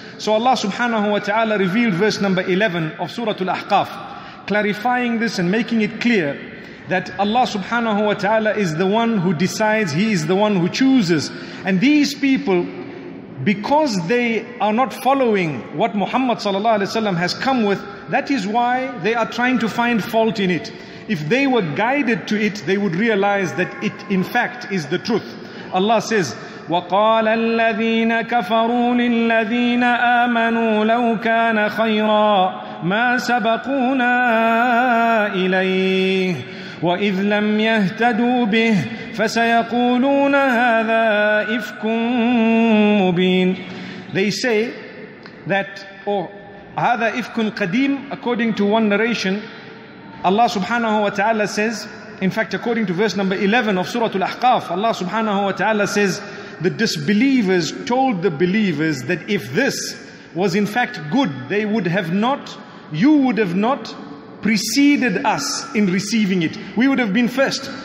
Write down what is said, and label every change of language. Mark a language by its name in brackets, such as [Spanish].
[English] So Allah subhanahu wa ta'ala revealed verse number 11 of Surah Al-Ahqaf, clarifying this and making it clear that Allah subhanahu wa ta'ala is the one who decides, He is the one who chooses. And these people, because they are not following what Muhammad sallallahu alayhi wa sallam has come with, that is why they are trying to find fault in it. If they were guided to it, they would realize that it in fact is the truth. Allah says, [Arabic] وَقَالَ الَّذِينَ كَفَرُوا لِلَّذِينَ آمَنُوا لَوْ كَانَ خَيْرًا مَا سَبَقُونَا إِلَيْهِ وَإِذْ لَمْ يَهْتَدُوا بِهِ فَسَيَقُولُونَ هَذَا إِفْكٌ مُبِينٌ. [English] They say that, [Arabic] هَذَا إِفْكٌ قَدِيمٌ. [English] According to one narration, Allah subhanahu wa ta'ala says, in fact, according to verse number 11 of Surah Al-Ahqaf, Allah subhanahu wa ta'ala says, the disbelievers told the believers that if this was in fact good, they would have not, you would have not preceded us in receiving it. We would have been first.